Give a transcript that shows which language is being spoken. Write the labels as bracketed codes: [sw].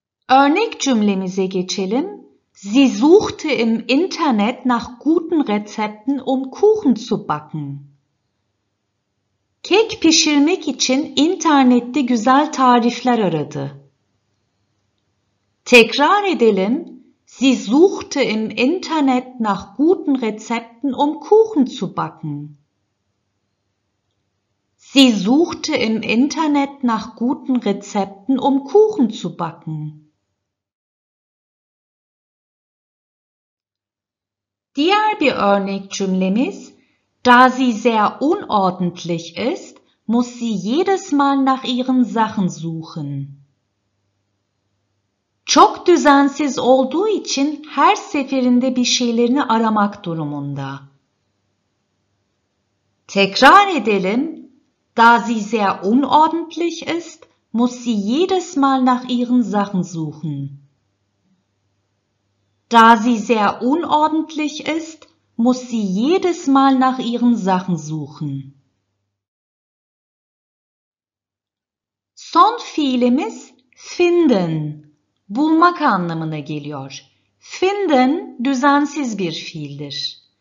[tr] Örnek cümlemize geçelim. [de] Sie suchte im Internet nach guten Rezepten, um Kuchen zu backen. [tr] Kek pişirmek için internette güzel tarifler aradı. Tekrar edelim. [de] Sie suchte im Internet nach guten Rezepten, um Kuchen zu backen. Sie suchte im Internet nach guten Rezepten, um Kuchen zu backen. [tr] Diğer bir örnek cümlemiz, [de] da sie sehr unordentlich ist, muss sie jedes Mal nach ihren Sachen suchen. [tr] Çok düzensiz olduğu için her seferinde bir şeylerini aramak durumunda. Tekrar edelim, [de] da sie sehr unordentlich ist, muss sie jedes Mal nach ihren Sachen suchen. Da sie sehr unordentlich ist, muss sie jedes Mal nach ihren Sachen suchen. [tr] Son fiilimiz finden, bulmak anlamına geliyor. Finden, düzensiz bir fiildir.